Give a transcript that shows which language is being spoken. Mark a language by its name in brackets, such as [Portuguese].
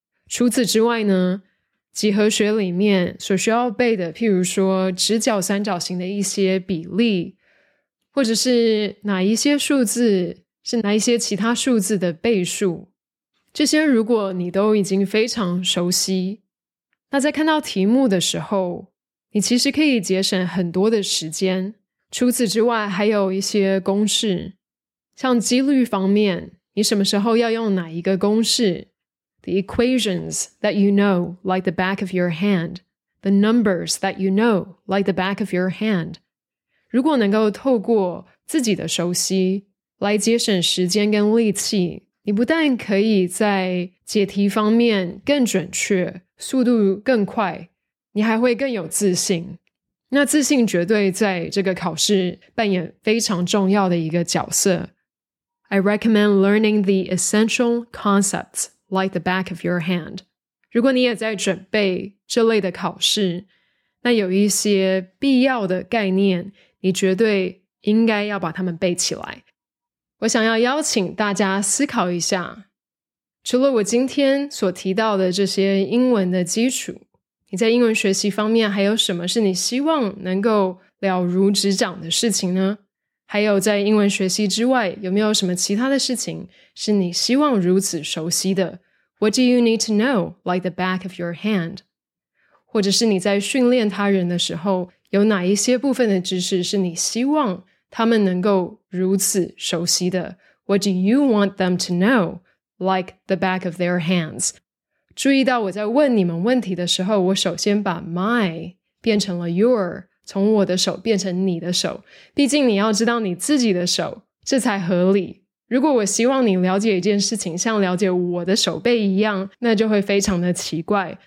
[Chinese] 除此之外呢，几何学里面所需要背的，譬如说直角三角形的一些比例，或者是哪一些数字是哪一些其他数字的倍数，这些如果你都已经非常熟悉，那在看到题目的时候，你其实可以节省很多的时间。除此之外还有一些公式，像几率方面，你什么时候要用哪一个公式？ [English] The equations that you know like the back of your hand. The numbers that you know like the back of your hand. [Chinese] 如果能够透过自己的熟悉来节省时间跟力气，你不但可以在解题方面更准确，速度更快，你还会更有自信。那自信绝对在这个考试扮演非常重要的一个角色。 [English] I recommend learning the essential concepts like the back of your hand. [Chinese] 如果你也在准备这类的考试，那有一些必要的概念，你绝对应该要把它们背起来。我想要邀请大家思考一下，除了我今天所提到的这些英文的基础，你在英文学习方面还有什么是你希望能够了如指掌的事情呢？还有在英文学习之外，有没有什么其他的事情是你希望如此熟悉的？ [English] What do you need to know like the back of your hand? [Chinese] 或者是你在训练他人的时候，有哪一些部分的知识是你希望他们能够如此熟悉的？ [English] What do you want them to know like the back of their hands? [Chinese] 注意到我在问你们问题的时候，我首先把 my 变成了 your，从我的手变成你的手，毕竟你要知道你自己的手，这才合理。如果我希望你了解一件事情，像了解我的手背一样，那就会非常的奇怪。